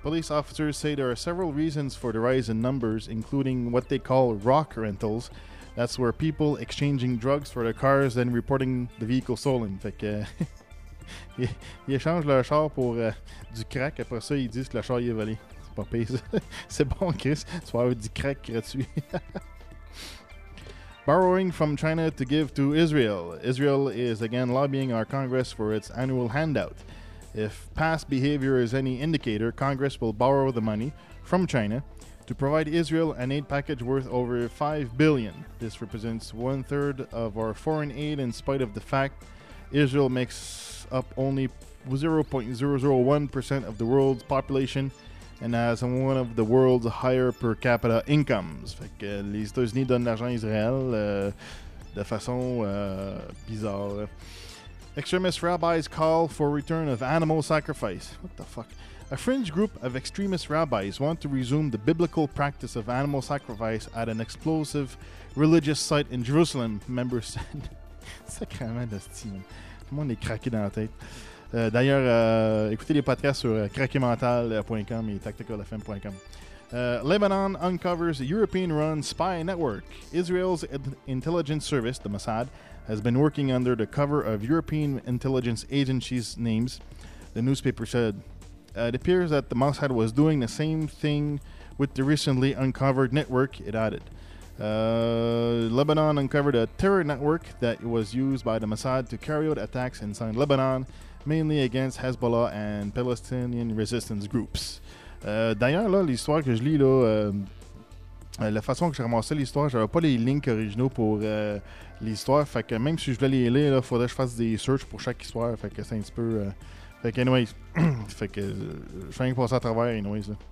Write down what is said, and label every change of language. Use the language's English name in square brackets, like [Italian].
[English] Police officers say there are several reasons for the rise in numbers, including what they call rock rentals. That's where people exchanging drugs for their cars then reporting the vehicle stolen. [French] Fait que, ils échangent leur char pour du crack, après ça, ils disent que le char est volé. C'est bon, Chris. Tu vas avoir du crack gratuit. [English] Borrowing from China to give to Israel. Israel is again lobbying our Congress for its annual handout. If past behavior is any indicator, Congress will borrow the money from China to provide Israel an aid package worth over $5 billion. This represents one third of our foreign aid in spite of the fact Israel makes up only 0.001% of the world's population and has one of the world's higher per capita incomes. [French] Fait que les États-Unis donnent l'argent à Israël de façon bizarre. [English] Extremist rabbis call for return of animal sacrifice. What the fuck? A fringe group of extremist rabbis want to resume the biblical practice of animal sacrifice at an explosive religious site in Jerusalem, members said. [French] Sacrement d'estime. Tout le monde est craqué dans la tête. D'ailleurs, écoutez les podcasts sur craquemental.com et tacticalfm.com. [English] Lebanon uncovers European-run spy network. Israel's intelligence service, the Mossad, has been working under the cover of European intelligence agencies' names, the newspaper said. It appears that the Mossad was doing the same thing with the recently uncovered network, it added. Lebanon uncovered a terror network that was used by the Mossad to carry out attacks inside Lebanon, mainly against Hezbollah and Palestinian resistance groups. [French] D'ailleurs, là, l'histoire que je lis, là, la façon que j'ai ramassé l'histoire, j'avais pas les links originaux pour l'histoire, fait que même si je voulais les lire, là, faudrait que je fasse des searches pour chaque histoire, fait que c'est un petit peu... fait que, anyways, je vais rien passer à travers, anyways.